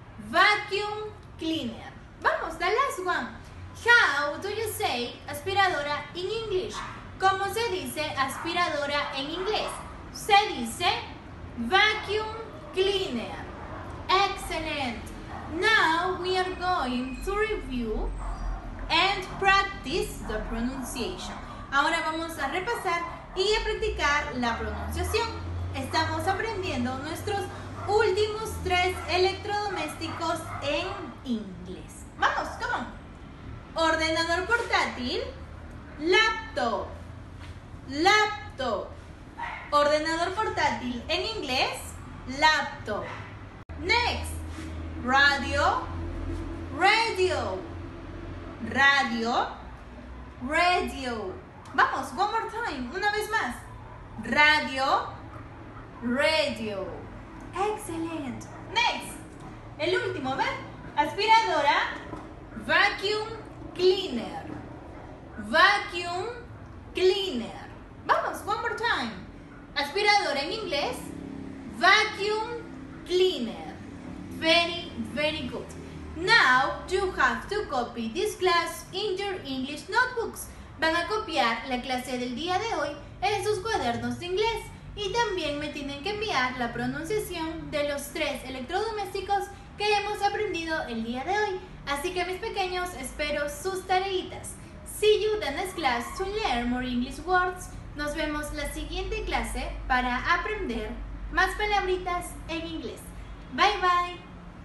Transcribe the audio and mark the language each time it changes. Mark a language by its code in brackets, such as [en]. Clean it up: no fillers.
[en] Vacuum cleaner. [es] Vamos, [en] the last one. How do you say aspiradora in English? [es] ¿Cómo se dice aspiradora en inglés? Se dice vacuum cleaner. [en] Excellent. Now we are going to review and practice the pronunciation. [es] Ahora vamos a repasar y a practicar la pronunciación. Estamos aprendiendo nuestros últimos tres electrodomésticos en inglés. Vamos, [en] come on. Ordenador portátil, laptop, laptop, [es] Ordenador portátil. En inglés, laptop. [en] Next. [es] Radio. Radio. Radio. Radio. Vamos, [en] one more time. [es] Una vez más. Radio. Radio. [en] Excellent. Next. [es] El último, ¿ven? [en] Aspiradora. Vacuum cleaner. Vacuum cleaner. [es] Vamos, [en] one more time. [es] Aspiradora en inglés. Vacuum cleaner. [en] Very, very good. Now, you have to copy this class in your English notebooks. [es] Van a copiar la clase del día de hoy en sus cuadernos de inglés. Y también me tienen que enviar la pronunciación de los tres electrodomésticos que hemos aprendido el día de hoy. Así que, mis pequeños, espero sus tareitas. [en] See you the next class to learn more English words. [es] Nos vemos la siguiente clase para aprender más palabritas en inglés. [en] Bye, bye.